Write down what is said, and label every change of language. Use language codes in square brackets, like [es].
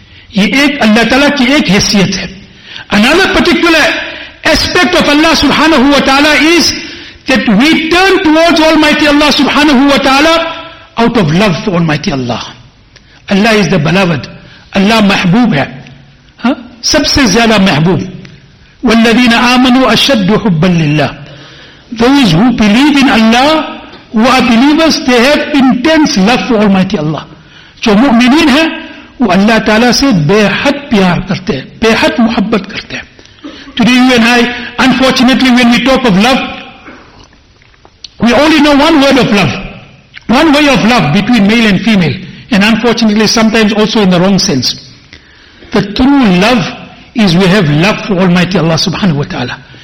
[ur] Ye ek Allah ta'ala ki ek haisiyat hai. [en] Another particular aspect of Allah subhanahu wa ta'ala is that we turn towards Almighty Allah subhanahu wa ta'ala out of love for Almighty Allah. Allah is the beloved. [ur] Allah mahbub hai. Sabse zyada mahbub. [ar] وَالَّذِينَ آمَنُوا أَشَدُّ حُبًّا لِلَّهِ. [en] Those who believe in Allah, who are believers, they have intense love for Almighty Allah. [ur] جو مؤمنین ہیں وہ اللہ تعالیٰ سے بے حد پیار کرتے ہیں, بے حد محبت کرتے ہیں. [en] Today you and I, unfortunately when we talk of love, we only know one word of love, one way of love between male and female, and unfortunately sometimes also in the wrong sense. The true love is we have love for Almighty Allah subhanahu wa ta'ala.